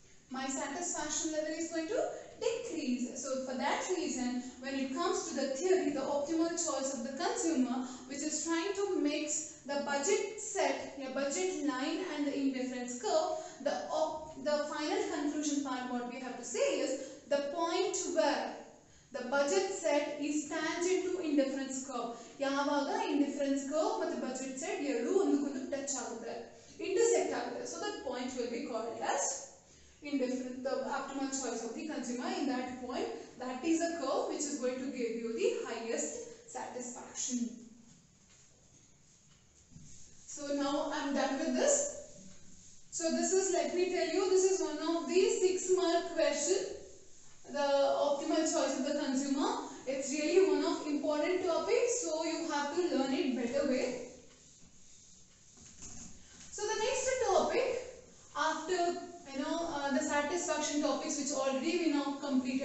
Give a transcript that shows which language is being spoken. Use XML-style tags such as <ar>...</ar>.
<en>My satisfaction level is going to decrease. So for that reason, when it comes to the theory, the optimal choice of the consumer, which is trying to mix the budget set, your budget line and the indifference curve, the final conclusion part, what we have to say is, the point where the budget set is tangent to indifference curve.</en> <kn>ಯಾವಾಗ indifference curve ಮತ್ತು budget set ಎರಡು ಒಂದಕ್ಕೊಂದು touch ಆಗುತ್ತೆ, intersect ಆಗುತ್ತೆ,</kn> <en>So that point will be called as indifferent. The optimal choice of the consumer in that point, that is a curve which is going to give you the highest satisfaction. So now I am done with this. So this is, let me tell you, this is one of the 6 mark question, the optimal choice of the consumer. It's really one of important topics, so you have to learn it better way. So the next topic after the satisfaction topics which already we now come</en>